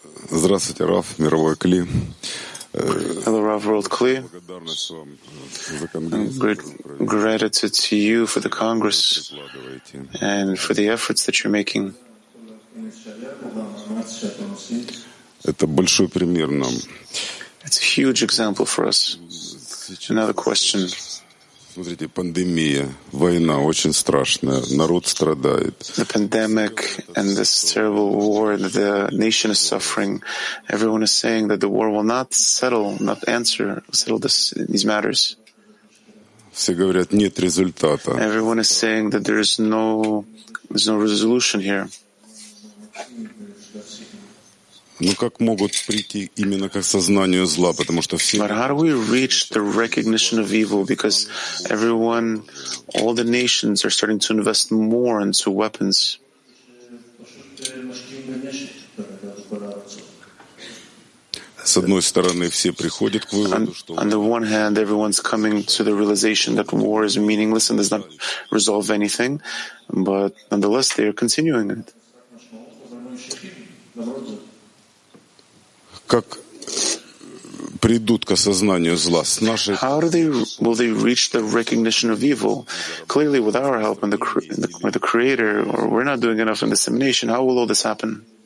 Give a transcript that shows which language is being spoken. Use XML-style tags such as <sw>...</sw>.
<ru>Здравствуйте, Рав, Мировой Кли.</ru> <en>Hello, Rav, World Kli. Great gratitude to you for the Congress and for the efforts that you're making.</en> <ru>Это большой пример нам.</ru> <en>It's a huge example for us. Another question.</en> <ru>Смотрите, пандемия, война очень страшная, народ страдает.</ru> <en>The pandemic and this terrible war, the nation is suffering. Everyone is saying that the war will not settle, not answer, settle this, these matters.</en> <ru>Все говорят, нет результата.</ru> <en>Everyone is saying that there's no resolution here.</en> <ru>Ну как могут прийти именно к осознанию зла, потому что все.</ru> <en>But how do we reach the recognition of evil? Because everyone, all the nations are starting to invest more into weapons.</en> <ru>С одной стороны, все приходят к выводу, что.</ru> <en>On the one hand, everyone's coming to the realization that war is meaningless and does not resolve anything, but nonetheless, they are continuing it.</en> <ru>Как придут к осознанию зла с нашей.</ru> <en>How do they will they reach the recognition of evil? Clearly, with our help and the Creator, or we're not doing enough in dissemination. How will all this happen?</en>